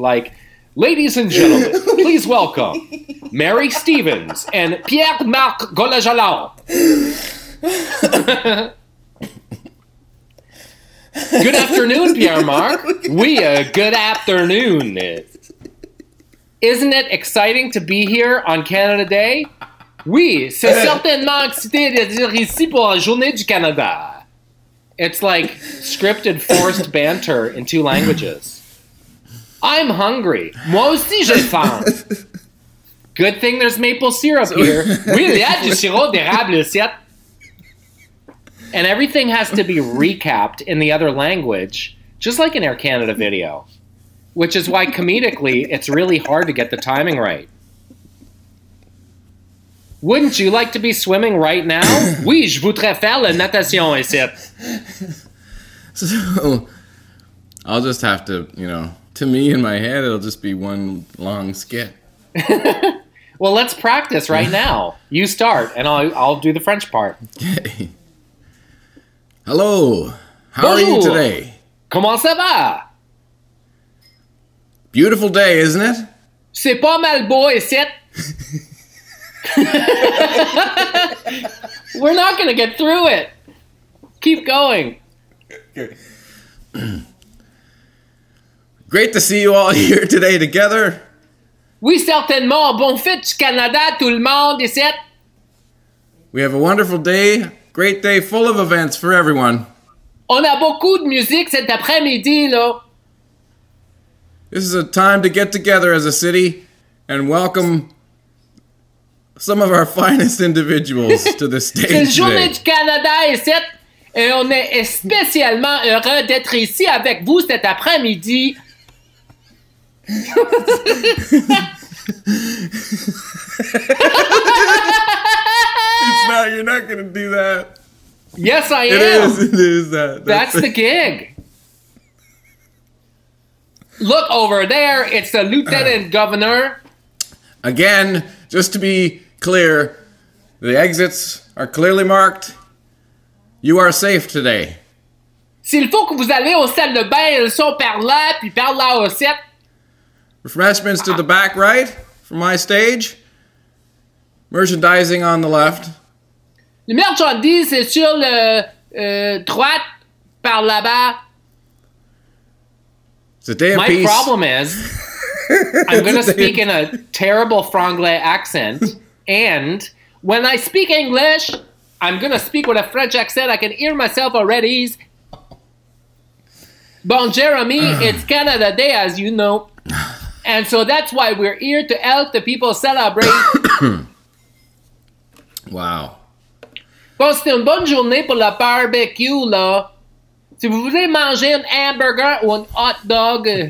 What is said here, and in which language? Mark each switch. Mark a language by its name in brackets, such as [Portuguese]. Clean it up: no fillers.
[English] Like, ladies and gentlemen, please welcome Mary Stevens and Pierre-Marc Golajalon. Good afternoon, Pierre-Marc. Good afternoon. Isn't it exciting to be here on Canada Day? [French] Oui, c'est certainement excité d'être ici pour la journée du Canada. [English] It's like scripted forced banter in two languages. I'm hungry. [French] Moi aussi j'ai faim. [English] Good thing there's maple syrup here. [French] Oui, il y a du sirop d'érable ici. [English] And everything has to be recapped in the other language, just like an Air Canada video, which is why comedically it's really hard to get the timing right. Wouldn't you like to be swimming right now? [French] Oui, je voudrais faire la natation ici. [English] So, I'll just have to, you know, to me in my head, it'll just be one long skit. Well, let's practice right now. You start, and I'll do the French part. Okay. Hello. How are you today? [French] Comment ça va? [English] Beautiful day, isn't it? [French] C'est pas mal beau ici. [English] We're not going to get through it. Keep going. Great to see you all here today together. [French] Oui, certainement. Bon fête, Canada, tout le monde, ici. [English] We have a wonderful day. Great day full of events for everyone. [French] On a beaucoup de musique cet après-midi, là. [English] This is a time to get together as a city and welcome some of our finest individuals to the stage. [French] C'est journée du Canada ici, et on est spécialement heureux d'être ici avec vous cet après-midi. [English] You're not going to do that. Yes, I am. It is that. That's the gig. Look over there. It's the lieutenant governor. Again, just to be clear, the exits are clearly marked. You are safe today. [French] S'il faut que vous allez aux salles de bain, elles sont par là, puis par là aussi. [English] Refreshments to the back right, from my stage. Merchandising on the left. [French] Le merchandise est sur le droite, par là-bas. [English] It's a day of peace. My problem is, I'm going to speak in a terrible Franglais accent. And when I speak English, I'm going to speak with a French accent. I can hear myself already. Bon, Jeremy, it's Canada Day, as you know. And so that's why we're here to help the people celebrate. Wow. [French] Bon, c'est une bonne journée pour la barbecue, là. Si vous voulez manger un hamburger ou un hot dog.